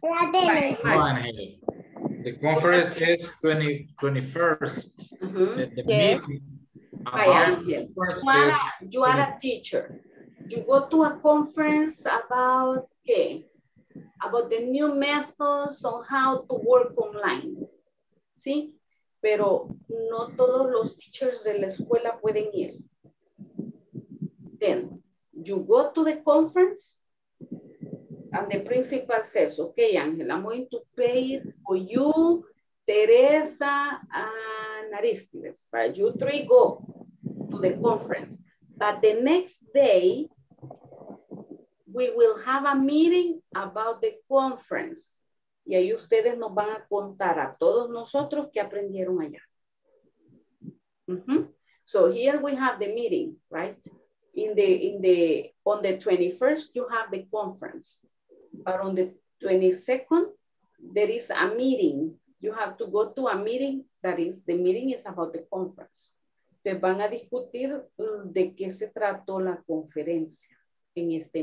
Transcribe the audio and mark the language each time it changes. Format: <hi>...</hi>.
<en>The conference is 21st. Mm-hmm. The meeting. Hi, Angel. You are a teacher. You go to a conference about, okay, about the new methods on how to work online.</en> <es>¿Sí? Pero no todos los teachers de la escuela pueden ir.</es> <en>Then, you go to the conference and the principal says, okay, Angela, I'm going to pay for you, Teresa, and Aristides, right? You three go to the conference. But the next day, we will have a meeting about the conference.</en> <es>Y ahí ustedes nos van a contar a todos nosotros qué aprendieron allá.</es> <en>Mm-hmm. So here we have the meeting, right? On the 21st, you have the conference. But on the 22nd, there is a meeting. You have to go to a meeting. That is, the meeting is about the conference.</en> <es>Te van a discutir de qué se trató la conferencia en este</es>